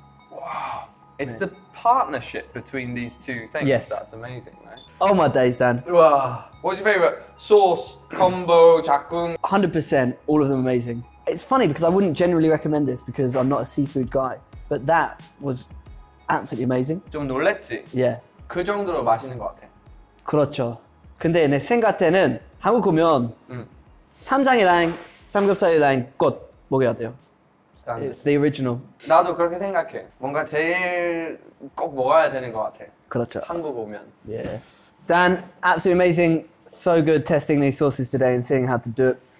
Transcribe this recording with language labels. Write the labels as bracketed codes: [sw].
[en] Wow. It's the partnership between these two things. Yes. That's amazing, right? Oh my days, Dan. Wow. What's your favorite? Sauce, combo, 짝꿍? 100%, all of them amazing. It's funny because I wouldn't generally recommend this because I'm not a seafood guy, but that was absolutely amazing. [ko] 좀 놀랬지? [en] Yeah. [ko] 그 정도로 맛있는 것 같아. 그렇죠. 근데 내 생각 때는 한국 오면 삼장이랑 삼겹살이랑 꽃 먹어야 돼요. [en] It's the original. [ko] 나도 그렇게 생각해. 뭔가 제일 꼭 먹어야 되는 것 같아. 그렇죠. 한국 오면. [en] Yeah. Dan, absolutely amazing. So good testing these sauces today and seeing how to do it.